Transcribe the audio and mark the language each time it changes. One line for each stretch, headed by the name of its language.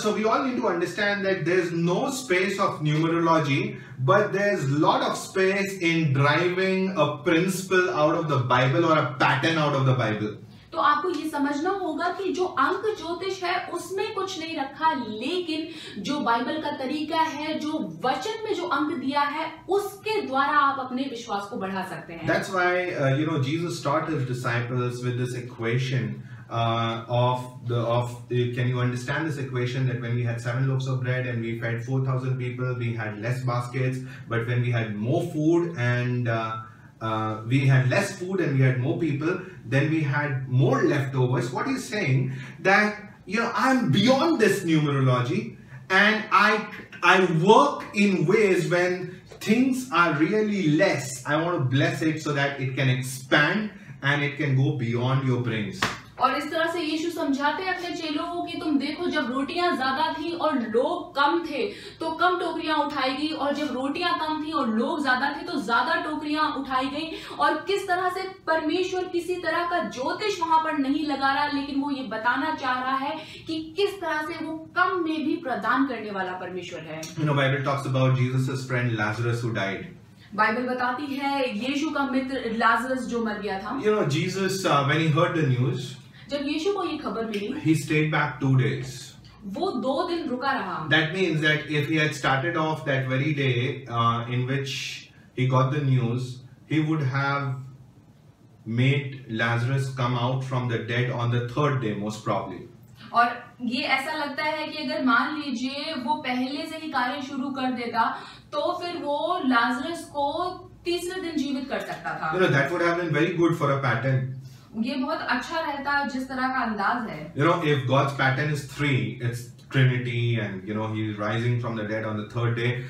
English: So we all need to understand that there is no space of numerology but there is lot of space in driving a principle out of the Bible और a pattern out of the Bible.
Hindi: तो आपको ये समझना होगा कि जो अंक ज्योतिष है उसमें कुछ नहीं रखा, लेकिन जो बाइबल का तरीका है, जो वचन में जो अंक दिया है, उसके द्वारा आप अपने विश्वास को बढ़ा सकते हैं।
English: That's why, you know, Jesus taught his disciples with this equation can you understand this equation that when we had 7 loaves of bread and we fed 4,000 people, we had less baskets, but when we had more food and we had less food and we had more people, then we had more leftovers. What he's saying that, you know, I'm beyond this numerology and I work in ways when things are really less. I want to bless it so that it can expand and it can go beyond your brains.
Hindi: और इस तरह से यीशु समझाते हैं अपने चेलों को कि तुम देखो जब रोटियां ज्यादा थी और लोग कम थे तो कम टोकरियां उठाई गई, और जब रोटियां कम थी और लोग ज्यादा थे तो ज्यादा टोकरियां उठाई गई। और किस तरह से परमेश्वर किसी तरह का ज्योतिष वहां पर नहीं लगा रहा, लेकिन वो ये बताना चाह रहा है कि किस तरह से वो कम में भी प्रदान करने वाला परमेश्वर है। बाइबल बताती है यीशु का मित्र लाजरस जो मर गया था।
English: you know Jesus when he heard the news,
Hindi: जब यीशु को ये खबर मिली,
English: he stayed back 2 days.
Hindi: वो 2 दिन रुका रहा।
English: That means that if he had started off that very day in which he got the news, he would have made Lazarus come out from the dead on the 3rd day most probably.
Hindi: और ये ऐसा लगता है कि अगर मान लीजिए वो पहले से ही कार्य शुरू कर देता तो फिर वो लाजरस को 3rd दिन जीवित कर सकता था।
English: You know, that would have been very good for a pattern.
Hindi: ये बहुत अच्छा रहता है जिस तरह का अंदाज है।
English: You know, if God's pattern is 3, it's Trinity, and you know, He's rising from the dead on the 3rd day.